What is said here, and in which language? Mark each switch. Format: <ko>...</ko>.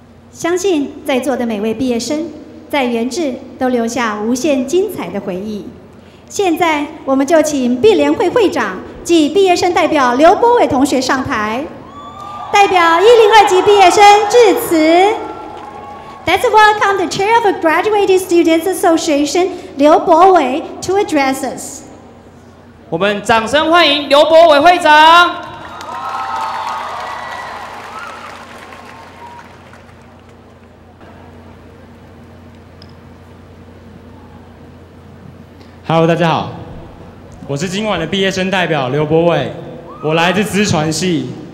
<zh>相信在座的每位毕业生在元智都留下无限精彩的回忆。现在我们就请毕联会会长及毕业生代表刘波伟同学上台，代表102级毕业生致辞。</zh> <en>Let's welcome the Chair of the Graduating Students Association, 刘博伟 to address us.</en> <zh>我们掌声欢迎刘博伟会长。 Hello, 大家好，我是今晚的毕业生代表刘博伟，我来自资传系。</zh>